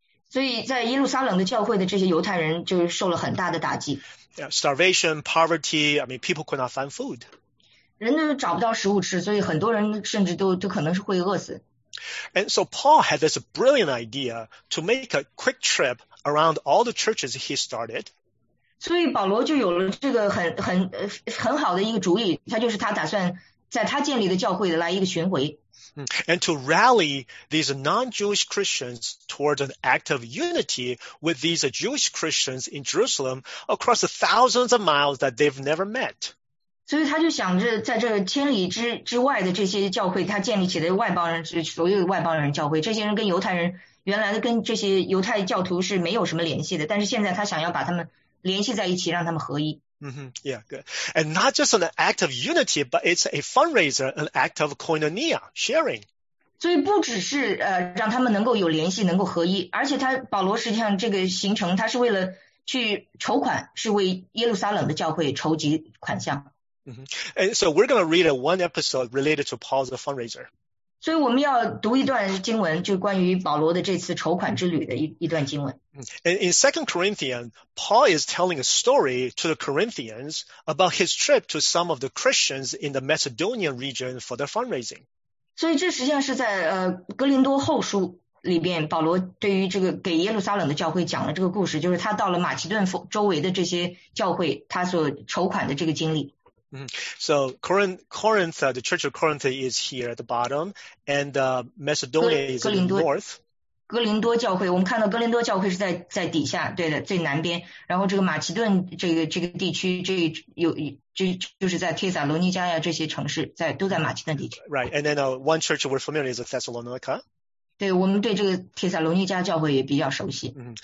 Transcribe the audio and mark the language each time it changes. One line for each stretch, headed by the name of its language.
Chinese: 所以在耶路撒冷的教会的这些犹太人就受了很大的打击。
English: Yeah, starvation, poverty, I mean, people could not find food.
Chinese: 人都找不到食物吃，所以很多人甚至都可能是会饿死。
English: And so Paul had this brilliant idea to make a quick trip around all the churches he started.
Chinese: 所以保罗就有了这个很好的一个主意，他就是他打算在他建立的教会的来一个巡回。
English: And to rally these non-Jewish Christians towards an act of unity with these Jewish Christians in Jerusalem across the thousands of miles that they've never met.
Chinese: 所以他就想着在这千里之外的这些教会他建立起的外邦人所有外邦人教会这些人跟犹太人原来跟这些犹太教徒是没有什么联系的但是现在他想要把他们联系在一起让他们合一。
English: Yeah, good. And not just an act of unity, but it's a fundraiser, an act of koinonia, sharing.
Chinese: 所以不只是让他们能够有联系，能够合一，而且他保罗实际上这个行程，他是为了去筹款，是为耶路撒冷的教会筹集款项。 Mm-hmm.
English: And so we're going to read one episode related to Paul's fundraiser.
Chinese: 所以我们要读一段经文，就关于保罗的这次筹款之旅的一段经文。
English: And in 2 Corinthians, Paul is telling a story to the Corinthians about his trip to some of the Christians in the Macedonian region for their fundraising.
Chinese: 所以这实际上是在哥林多后书里边，保罗对于这个给耶路撒冷的教会讲了这个故事，就是他到了马其顿周围的这些教会，他所筹款的这个经历。
English: So Corinth, the Church of Corinth is here at the bottom, and Macedonia is in the north.
Chinese: 哥林多教会，我们看到哥林多教会是在底下，对的，最南边。然后这个马其顿这个地区，这有这就是在帖撒罗尼迦呀这些城市，在都在马其顿地区。
English: Right, and then one church we're familiar is Thessalonica.
Chinese: 对，我们对这个帖撒罗尼迦教会也比较熟悉。